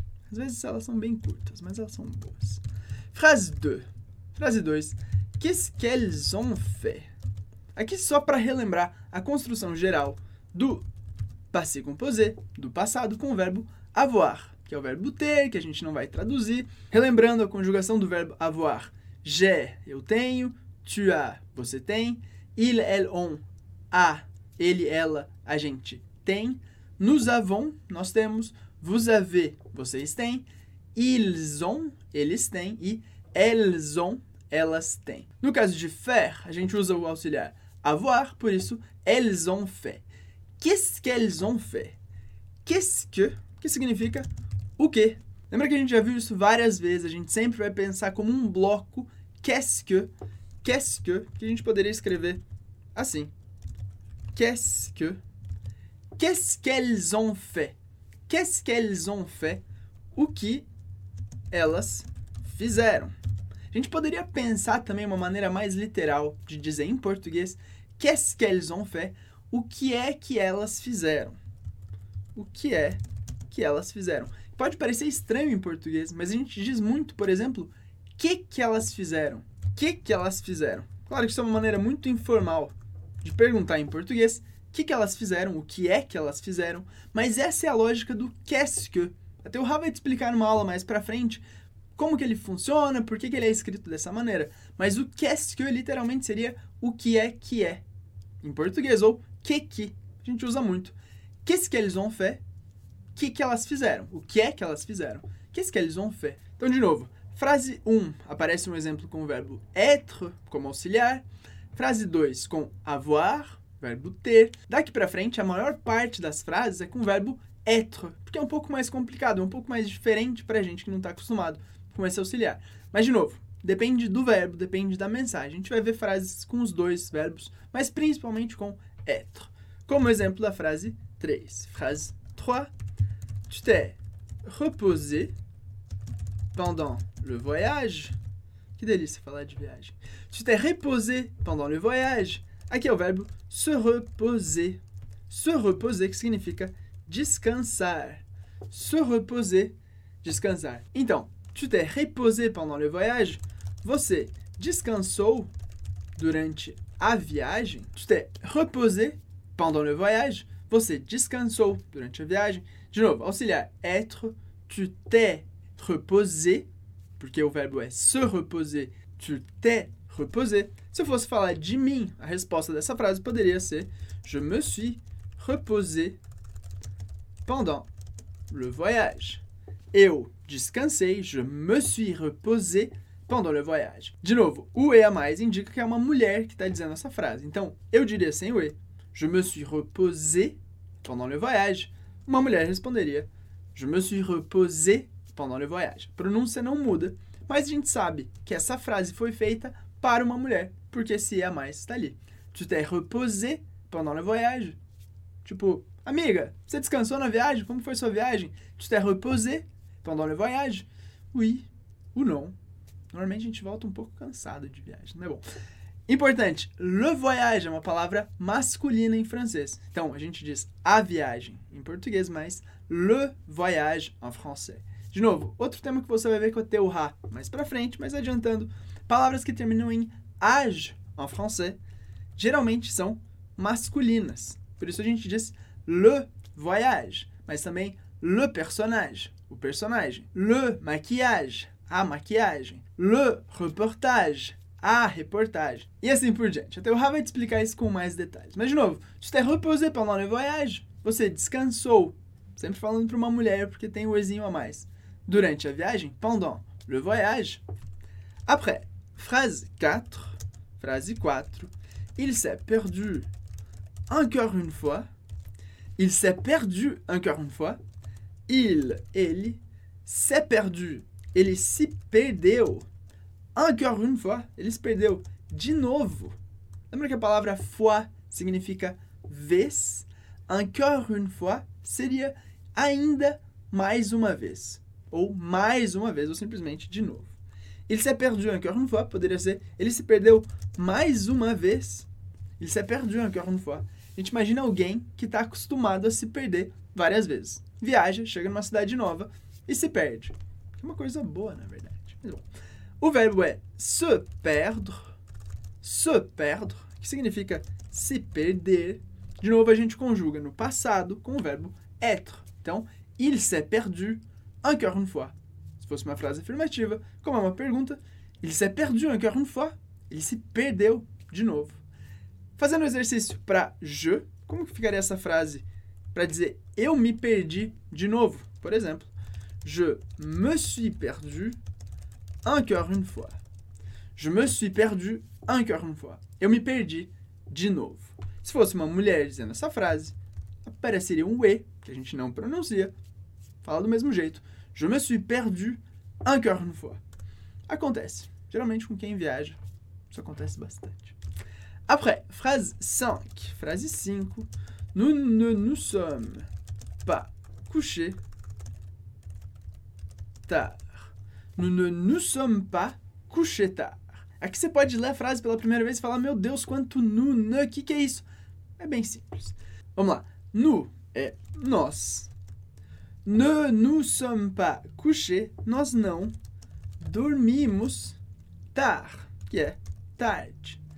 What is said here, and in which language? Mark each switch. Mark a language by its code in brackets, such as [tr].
[pt] Às vezes elas são bem curtas, mas elas são boas. Frase 2. Frase 2. [fr] Qu'est-ce qu'elles ont fait? [pt] Aqui só para relembrar a construção geral do passé composé, do passado, com o verbo avoir, que é o verbo ter, que a gente não vai traduzir. Relembrando a conjugação do verbo avoir. [fr] J'ai, [pt] eu tenho. [fr] Tu as, [pt] você tem. [fr] Il, elle, on, a, [pt] ele, ela, a gente tem. [fr] Nous avons, [pt] nós temos. [fr] Vous avez, [pt] vocês têm. [fr] Ils ont, [pt] eles têm. E [fr] elles ont, [pt] elas têm. No caso de faire, a gente usa o auxiliar avoir, por isso, [fr] elles ont fait. Qu'est-ce qu'elles ont fait? Qu'est-ce que [pt] significa o quê? Lembra que a gente já viu isso várias vezes, a gente sempre vai pensar como um bloco qu'est-ce que a gente poderia escrever assim. [fr] Qu'est-ce qu'elles ont fait? Qu'est-ce qu'elles ont fait? [pt] O que elas fizeram? A gente poderia pensar também uma maneira mais literal de dizer em português [fr] qu'est-ce qu'elles ont fait? [pt] O que é que elas fizeram? O que é que elas fizeram? Pode parecer estranho em português, mas a gente diz muito, por exemplo, que elas fizeram? Que elas fizeram? Claro que isso é uma maneira muito informal de perguntar em português que elas fizeram, o que é que elas fizeram, mas essa é a lógica do qu'est-ce que. Até o Ra vai te explicar numa aula mais pra frente como que ele funciona, por que ele é escrito dessa maneira, mas o qu'est-ce que literalmente seria o que é que é. Em português, ou que a gente usa muito. [fr] Qu'est-ce qu'elles ont fait? [pt] Que elas fizeram? O que é que elas fizeram? Qu'est-ce qu'elles ont fait? Então, de novo, frase 1, aparece um exemplo com o verbo être, como auxiliar. Frase 2, com avoir, verbo ter. Daqui pra frente, a maior parte das frases é com o verbo être, porque é um pouco mais complicado, é um pouco mais diferente pra gente que não tá acostumado com esse auxiliar. Mas, de novo, depende do verbo, depende da mensagem. A gente vai ver frases com os dois verbos, mas principalmente com être. Como exemplo da frase 3. Frase 3. [fr] Tu t'es reposé pendant le voyage. [pt] Que delícia falar de viagem. [fr] Tu t'es reposé pendant le voyage. [pt] Aqui é o verbo se reposer. Se reposer, que significa descansar. Se reposer, descansar. Então, [fr] tu t'es reposé pendant le voyage. [pt] Você descansou durante a viagem? [fr] Tu t'es reposé pendant le voyage. [pt] Você descansou durante a viagem? De novo, auxiliar être. [fr] Tu t'es reposé. [pt] Porque o verbo é se reposer. Tu t'es reposé. Se eu fosse falar de mim, a resposta dessa frase poderia ser [fr] je me suis reposé pendant le voyage. [pt] Eu descansei. [fr] Je me suis reposé pendant le voyage. [pt] De novo, o E a mais indica que é uma mulher que está dizendo essa frase. Então, eu diria sem o E. [fr] Je me suis reposé pendant le voyage. [pt] Uma mulher responderia [fr] je me suis reposé pendant le voyage. [pt] A pronúncia não muda, mas a gente sabe que essa frase foi feita para uma mulher, porque esse E a mais está ali. [fr] Tu t'es reposé pendant le voyage. [pt] Tipo, amiga, você descansou na viagem? Como foi sua viagem? [fr] Tu t'es reposé pendant le voyage? Oui ou non? [pt] Normalmente a gente volta um pouco cansado de viagem, não é bom? Importante, le voyage é uma palavra masculina em francês. Então, a gente diz a viagem em português, mas [fr] le voyage en français. [pt] De novo, outro tema que você vai ver com o teu ra mais pra frente, mas adiantando, palavras que terminam em age [fr] en français [pt] geralmente são masculinas. Por isso a gente diz le voyage, mas também le personnage, o personagem. Le maquillage, a maquiagem. Le reportage, a reportagem. E assim por diante. Até o Ra vai te explicar isso com mais detalhes. Mas de novo, [fr] tu t'es reposé pendant le voyage. [pt] Você descansou. Sempre falando para uma mulher, porque tem o ezinho a mais. Durante a viagem, [fr] pendant le voyage. Après, phrase 4. [pt] Frase 4. [fr] Il s'est perdu encore une fois. Il s'est perdu encore une fois. [pt] Ele [fr] s'est perdu. [pt] Ele se perdeu [fr] Encore une fois, [pt] ele se perdeu de novo. Lembra que a palavra fois significa vez? [fr] Encore une fois [pt] seria ainda mais uma vez. Ou mais uma vez, ou simplesmente de novo. [fr] Il s'est perdu encore une fois, [pt] poderia ser. Ele se perdeu mais uma vez. [fr] Il s'est perdu encore une fois. [pt] A gente imagina alguém que está acostumado a se perder várias vezes. Viaja, chega numa cidade nova e se perde. É uma coisa boa, na verdade. Mas bom. O verbo é se perdre, que significa se perder. De novo, a gente conjuga no passado com o verbo être. Então, [fr] il s'est perdu encore une fois. [pt] Se fosse uma frase afirmativa, como é uma pergunta, [fr] il s'est perdu encore une fois, [pt] ele se perdeu de novo. Fazendo o exercício para je, como que ficaria essa frase para dizer eu me perdi de novo? Por exemplo, [fr] je me suis perdu encore une fois. Je me suis perdu encore une fois. [pt] Eu me perdi de novo. Se fosse uma mulher dizendo essa frase, apareceria um e, que a gente não pronuncia. Fala do mesmo jeito. [fr] Je me suis perdu encore une fois. [pt] Acontece. Geralmente com quem viaja, isso acontece bastante. [fr] Après, phrase 5. Phrase 5. Nous ne nous sommes pas couchés tard. Nous ne nous sommes pas couchés tard. [pt] Aqui você pode ler a frase pela primeira vez e falar, meu Deus, quanto nous ne, que é isso? É bem simples. Vamos lá. Nous é nós. [fr] Ne nous sommes pas couchés, [pt] nós não dormimos tard, que é tarde.